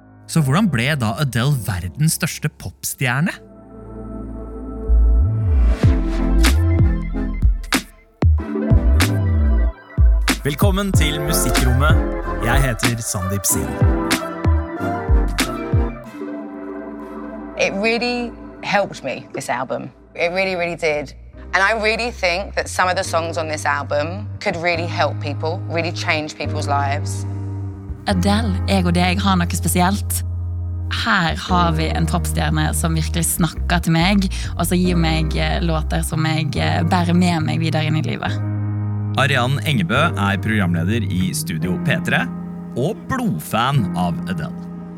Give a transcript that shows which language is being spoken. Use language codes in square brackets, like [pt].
[no] Så hvordan ble da Adele verdens største popstjerne? Velkommen til Musikkrommet. Jeg heter Sandeep Singh. [en] It really helped me, this album. It really, really did. And I really think that some of the songs on this album could really help people, really change people's lives. [no] Adele, jeg og deg har noe spesielt. Her har vi en popstjerne som virkelig snakker til meg, og så gir meg låter som jeg bærer med meg videre inn I livet. Arianne Engebø programleder I Studio P3, og blodfan av Adele.